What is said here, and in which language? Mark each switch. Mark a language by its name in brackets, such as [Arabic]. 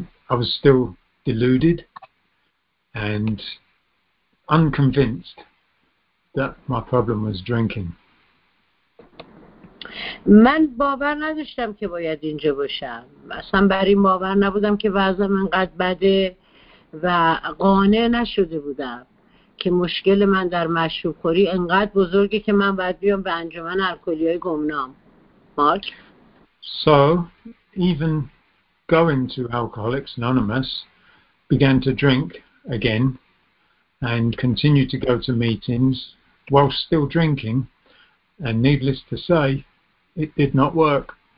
[English] I was still deluded and unconvinced that my problem was drinking. [Persian] من باور نداشتم که باید اینجا باشم. اصلا بر این باور نبودم که وضع من قد بده و قانع نشده بودم که مشکل من در مشروب خوری انقدر بزرگه که من باید بیام به انجمن الکلی‌های گمنام. مارک؟ [English] So, even going to Alcoholics Anonymous, began to drink again and continued to go to meetings while still drinking, and needless to say, it did not work.